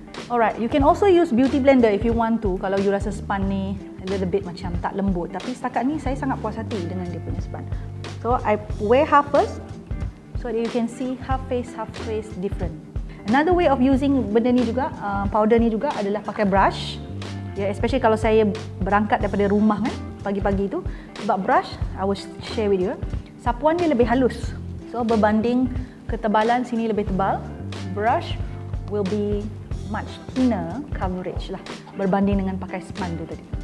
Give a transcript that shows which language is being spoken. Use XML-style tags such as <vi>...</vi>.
<en>Alright, you can also use beauty blender if you want to.</en> <ms>Kalau you rasa span ni</ms> <en>a little bit</en> <ms>macam tak lembut. Tapi setakat ni saya sangat puas hati dengan dia punya span.</ms> <en>So, I wear half first. So that you can see half face different. Another way of using</en> <ms>benda ni juga, powder ni juga adalah pakai brush.</ms> <en>Yeah, especially</en> <ms>kalau saya berangkat daripada rumah kan, pagi-pagi tu. Sebab brush,</ms> <en>I will share with you.</en> <ms>Sapuan dia lebih halus. So berbanding ketebalan sini lebih tebal,</ms> <en>brush will be much thinner coverage</en> <ms>lah berbanding dengan pakai spandu tadi.</ms>